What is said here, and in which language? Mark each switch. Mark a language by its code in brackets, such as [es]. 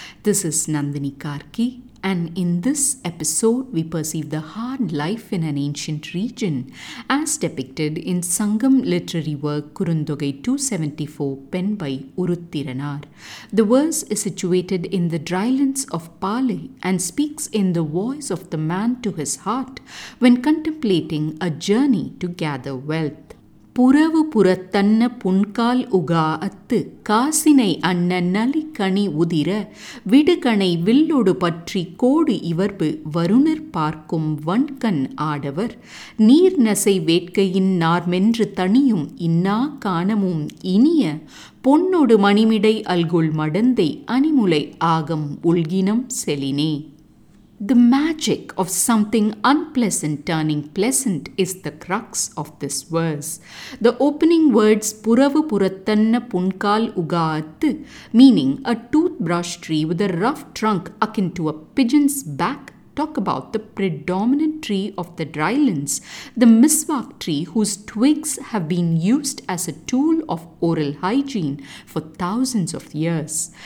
[en] This is Nandini Karki, and in this episode we perceive the hard life in an ancient region as depicted in Sangam literary work Kurundogai 274 penned by Uruthiranar. The verse is situated in the drylands of Pali and speaks in the voice of the man to his heart when contemplating a journey to gather wealth. [ta] புறவு புறத்தன்ன புன்கால் Oka அத்து காசினை அன்ன நலி கணி உதிர விடுகணை வில்லொடு பற்றி கோடு இவர்பு வருணர் பார்க்கும் வன்கண் ஆடவர் நீர்நசை வேட்கையின் நார்மென்று தனியும் இன்னா காணமும் இனிய பொன்னொடு மணிமிடை அல்குள் மடந்தை அணிமுலை ஆகம் உள்கினம் செலினே. [en] The magic of something unpleasant turning pleasant is the crux of this verse. The opening words Puravu Purathanna Punkal Ugaattu, meaning a toothbrush tree with a rough trunk akin to a pigeon's back, talk about the predominant tree of the drylands, the miswak tree whose twigs have been used as a tool of oral hygiene for thousands of years.